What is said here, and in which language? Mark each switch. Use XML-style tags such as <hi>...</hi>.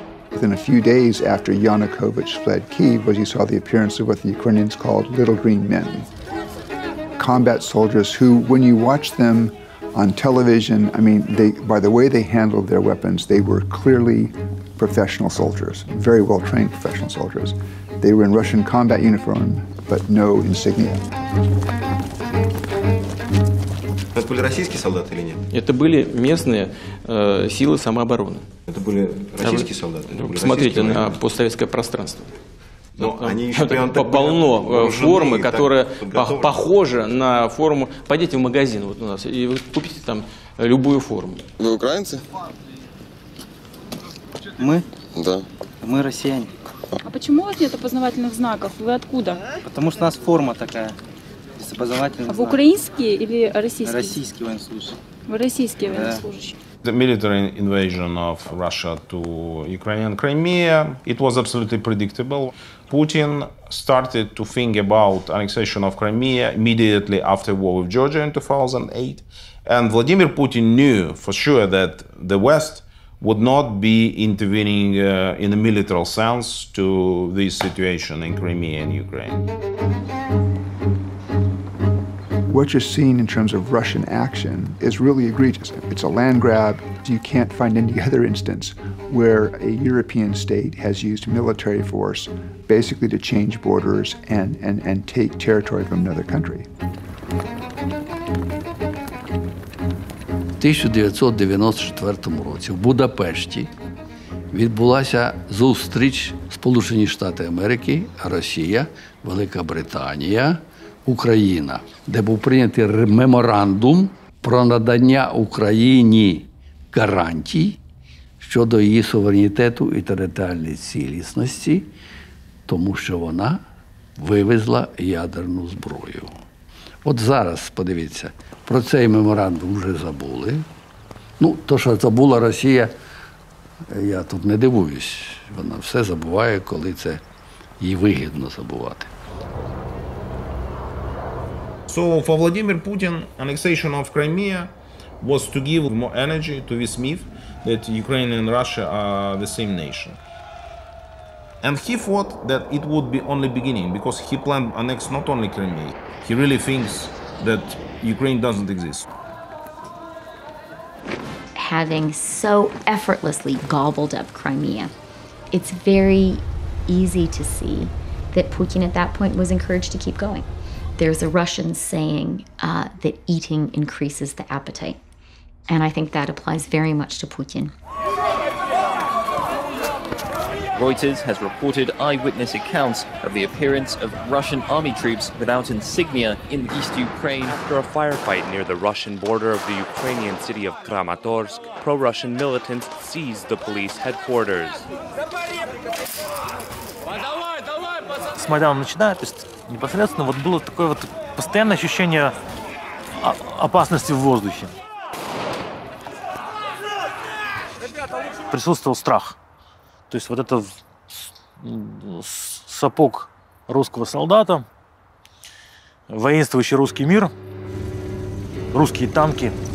<en>Within a few days after Yanukovych fled Kyiv, was he saw the appearance of what the Ukrainians called little green men. Combat soldiers who, when you watch them on television. I mean, they, by the way they handled their weapons, they were clearly professional soldiers, very well trained professional soldiers. They were in Russian combat uniform, but no insignia.</en> <ru>Это были российские солдаты или нет? Это были местные силы самообороны. Это были российские солдаты? Это были посмотрите на постсоветское пространство. Но там, они еще там, по, полно формы, которая похожа на форму. Пойдите в магазин вот у нас и вы купите там любую форму. Вы украинцы? Мы? Да. Мы россияне. А почему у вас нет опознавательных знаков? Вы откуда? Потому что у нас форма такая. А в украинские или российские? Российские военнослужащие. Вы российские военнослужащие.</ru> <en>The military invasion of Russia to Ukraine and Crimea, it was absolutely predictable. Putin started to think about annexation of Crimea immediately after war with Georgia in 2008. And Vladimir Putin knew for sure that the West would not be intervening in a military sense to this situation in Crimea and Ukraine. What you're seeing in terms of Russian action is really egregious. It's a land grab. You can't find any other instance where a European state has used military force basically to change borders and take territory from another country.</en> <uk>В 1994 році в Будапешті відбулася зустріч Сполучені Штати Америки, Росія, Велика Британія, Україна, де був прийнятий меморандум про надання Україні гарантій щодо її суверенітету і територіальної цілісності, тому що вона вивезла ядерну зброю. От зараз, подивіться, про цей меморандум вже забули. Ну, то, що забула Росія, я тут не дивуюсь. Вона все забуває, коли це їй вигідно забувати.</uk> <en>So for Vladimir Putin, annexation of Crimea was to give more energy to this myth that Ukraine and Russia are the same nation. And he thought that it would be only beginning, because he planned annex not only Crimea. He really thinks that Ukraine doesn't exist. Having so effortlessly gobbled up Crimea, it's very easy to see that Putin at that point was encouraged to keep going. There's a Russian saying that eating increases the appetite. And I think that applies very much to Putin. Reuters has reported eyewitness accounts of the appearance of Russian army troops without insignia in East Ukraine. After a firefight near the Russian border of the Ukrainian city of Kramatorsk, pro-Russian militants seized the police headquarters.</en> <ru>С Майдану начинается. Непосредственно вот было такое вот постоянное ощущение опасности в воздухе. Присутствовал страх. То есть вот это сапог русского солдата, воинствующий русский мир, русские танки.</ru>